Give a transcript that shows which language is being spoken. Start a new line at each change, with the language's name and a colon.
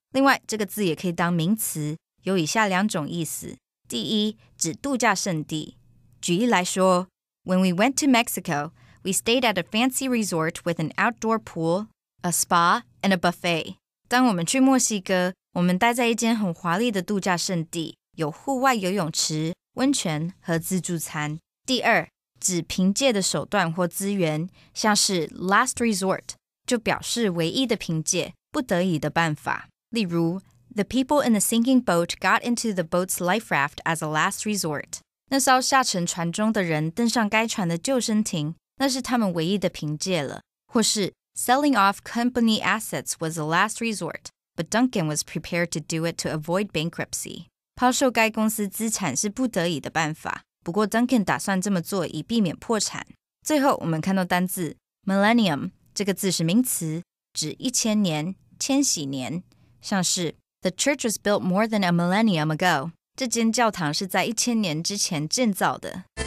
Chinese: 另外，这个字也可以当名词，有以下两种意思。第一，指度假胜地。
English: 举例来说 When we went to Mexico, we stayed at a fancy resort with an outdoor pool, a spa, and a buffet.
Chinese: 当我们去墨西哥，我们待在一间很华丽的度假胜地，有户外游泳池、温泉和自助餐。第二，指凭借的手段或资源，像是 last resort, 就表示唯一的凭借、不得已的办法。
English: 例如 The people in the sinking boat got into the boat's life raft as a last resort.
Chinese: 那艘下沉船中的人登上该船的救生艇，那是他们唯一的凭借了。
English: 或是 Selling off company assets was the last resort, but Duncan was prepared to do it to avoid bankruptcy.
Chinese: 抛售该公司资产是不得已的办法，不过 Duncan 打算这么做以避免破产。最后，我们看到单字 Millennium, 这个字是名词，指一千年、千禧年。
English: 像是 The church was built more than a millennium ago.
Chinese: 这间教堂是在一千年之前建造的。